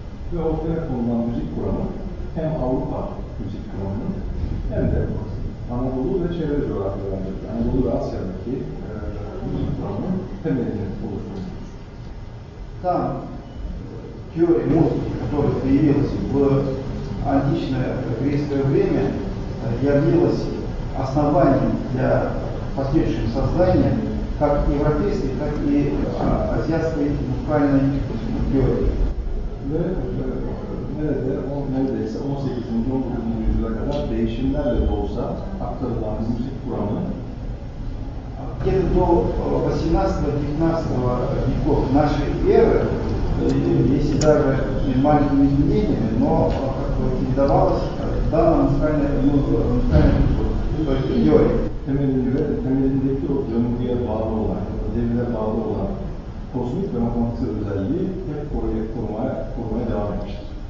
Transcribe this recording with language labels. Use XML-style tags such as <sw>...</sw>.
<tr>Ve ortaya kurulan müzik kuramı hem Avrupa müzik kuramını hem de Anadolu ve çevre coğrafyalarında, Anadolu ve Asya'daki müzik kuramı temelini oluşturmuştur. Tamam.</tr> <ru>Теория музыки, которая появилась в античное греческое время, явилась основанием для последующего создания как европейской, так и азиатской музыкальной теории.</ru> <tr>Nerede? Neredeyse 18. 19. yüzyıla kadar değişimlerle de olsa aktarılan müzik kuramı</tr> <ru>где-то до 18-19 веков нашей эры, если даже и маленькими изменениями, но как бы не давалось данному музыкальному</ru>